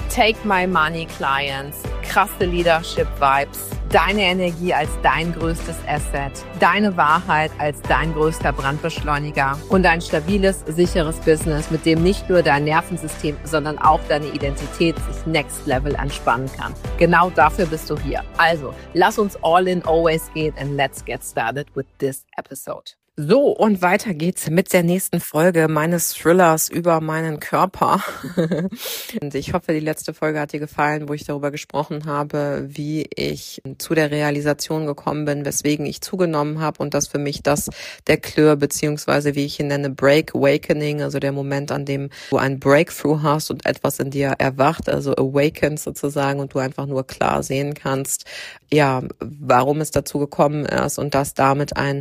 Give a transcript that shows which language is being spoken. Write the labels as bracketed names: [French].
[English] Take my money, [German] Clients, krasse Leadership-Vibes, deine Energie als dein größtes Asset, deine Wahrheit als dein größter Brandbeschleuniger und ein stabiles, sicheres Business, mit dem nicht nur dein Nervensystem, sondern auch deine Identität sich next level entspannen kann. Genau dafür bist du hier. Also, lass uns [English] all in always [German] gehen [English] and let's get started with this episode. [German] So, und weiter geht's mit der nächsten Folge meines Thrillers über meinen Körper. Und ich hoffe, die letzte Folge hat dir gefallen, wo ich darüber gesprochen habe, wie ich zu der Realisation gekommen bin, weswegen ich zugenommen habe und dass für mich das der Clue, beziehungsweise wie ich ihn nenne, Break Awakening, also der Moment, an dem du ein Breakthrough hast und etwas in dir erwacht, also awakens sozusagen und du einfach nur klar sehen kannst, ja, warum es dazu gekommen ist und dass damit